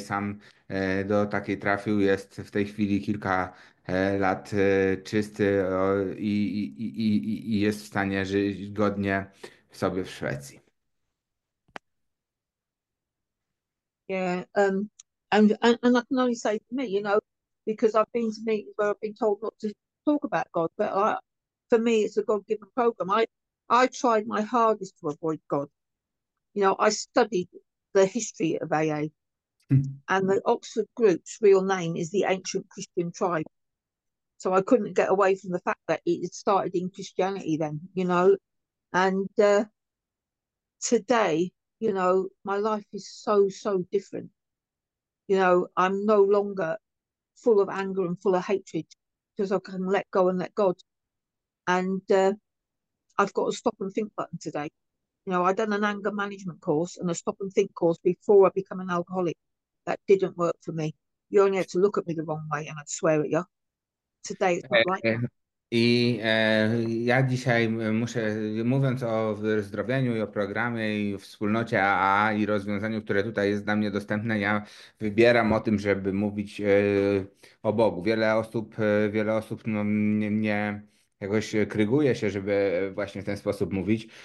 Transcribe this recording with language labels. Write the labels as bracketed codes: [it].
[pl] Sam do takiej trafił, jest w tej chwili kilka lat czysty i jest w stanie żyć godnie sobie w Szwecji. [en] Yeah, and I can only say for me, you know, because I've been to meetings where I've been told not to talk about God, but for me, it's a God-given program. I tried my hardest to avoid God. You know, I studied the history of AA, and the Oxford Group's real name is the Ancient Christian Tribe. So I couldn't get away from the fact that it had started in Christianity then, you know, and today. You know, my life is so different. You know, I'm no longer full of anger and full of hatred because I can let go and let God. And I've got a stop and think button today. You know, I've done an anger management course and a stop and think course before I become an alcoholic. That didn't work for me. You only had to look at me the wrong way and I'd swear at you. Today it's not right. [pl] I ja dzisiaj muszę, mówiąc o wyzdrowieniu i o programie i o wspólnocie AA i rozwiązaniu, które tutaj jest dla mnie dostępne, ja wybieram o tym, żeby mówić o Bogu. Wiele osób no, nie jakoś kryguje się, żeby właśnie w ten sposób mówić.